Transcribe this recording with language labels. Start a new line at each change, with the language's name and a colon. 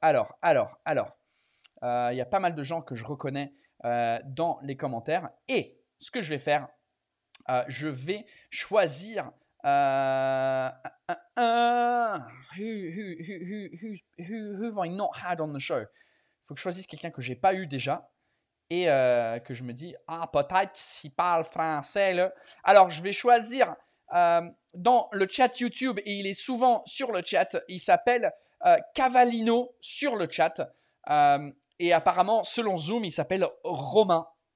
French: Il y a pas mal de gens que je reconnais dans les commentaires. Et ce que je vais faire, je vais choisir...
English: Who have I not had on the show?
French: Il faut que je choisisse quelqu'un que j'ai pas eu déjà et que je me dis ah peut-être s'il parle français là. Alors je vais choisir dans le chat YouTube et il est souvent sur le chat. Il s'appelle Cavallino sur le chat et apparemment selon Zoom il s'appelle Romain.